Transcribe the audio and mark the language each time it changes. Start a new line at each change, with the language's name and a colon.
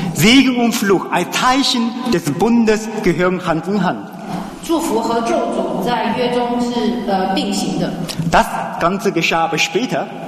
German: Segen und Fluch als Zeichen des Bundes gehören Hand in Hand.
Chinese: 祝福和咒诅在约中是并行的。
German: Das Ganze geschah aber später.